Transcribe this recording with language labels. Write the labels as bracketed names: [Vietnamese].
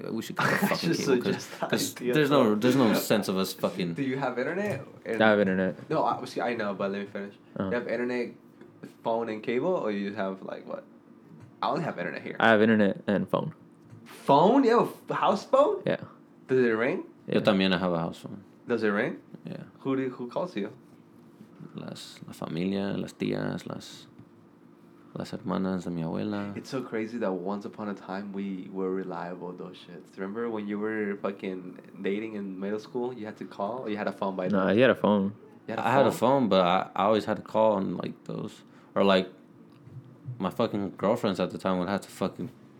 [English] Like, we should cut the fucking cable. There's no sense of us fucking... Do you have internet? I have internet. No, I know, but let me finish. Uh-huh. You have internet, phone, and cable? Or you have, like, what? I only have internet here. I have internet and phone. Phone? You have a house phone? Yeah. Does it ring? [Spanish] Yo también [English] have a house phone. Does it ring? Yeah. Who calls you? [Spanish] La familia, las tías, las hermanas de mi abuela. [English] It's so crazy that once upon a time we were reliable, those shits. Remember when you were fucking dating in middle school? You had to call? Or you had a phone by then? Nah, he had a phone. I had a phone, but I always had to call on like those. Or like my fucking girlfriends at the time would have to fucking...